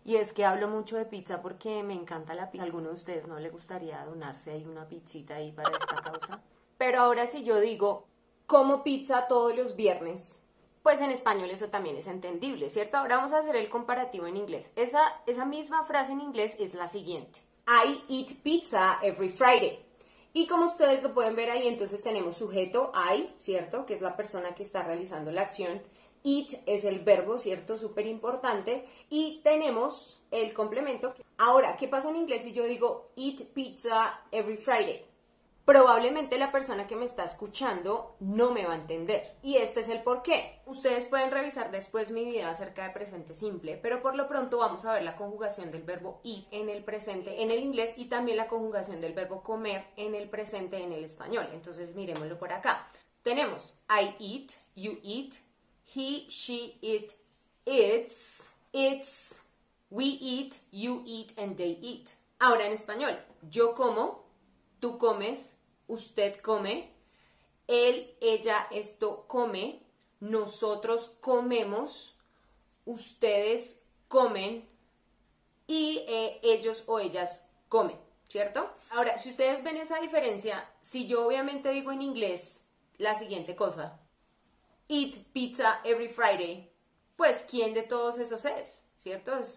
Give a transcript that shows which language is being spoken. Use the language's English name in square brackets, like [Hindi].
[Spanish] Y es que hablo mucho de pizza porque me encanta la pizza. ¿Alguno de ustedes no le gustaría donarse ahí una pizzita ahí para esta causa? Pero ahora si yo digo, como pizza todos los viernes, pues en español eso también es entendible, ¿cierto? Ahora vamos a hacer el comparativo en inglés. Esa misma frase en inglés es la siguiente. [English] I eat pizza every Friday. [Spanish] Y como ustedes lo pueden ver ahí, entonces tenemos sujeto, I, ¿cierto? Que es la persona que está realizando la acción. Eat es el verbo, ¿cierto? Súper importante. Y tenemos el complemento. Ahora, ¿qué pasa en inglés si yo digo [English] eat pizza every Friday? [Spanish] Probablemente la persona que me está escuchando no me va a entender. Y este es el porqué. Ustedes pueden revisar después mi video acerca de presente simple, pero por lo pronto vamos a ver la conjugación del verbo eat en el presente en el inglés y también la conjugación del verbo comer en el presente en el español. Entonces, miremoslo por acá. Tenemos [English] I eat, you eat, he, she, it, it's, we eat, you eat, and they eat. [Spanish] Ahora en español, yo como, tú comes, usted come, él, ella, esto come, nosotros comemos, ustedes comen y ellos o ellas comen, ¿cierto? Ahora, si ustedes ven esa diferencia, si yo obviamente digo en inglés la siguiente cosa, [English] eat pizza every Friday, [Spanish] pues ¿quién de todos esos es? ¿Cierto?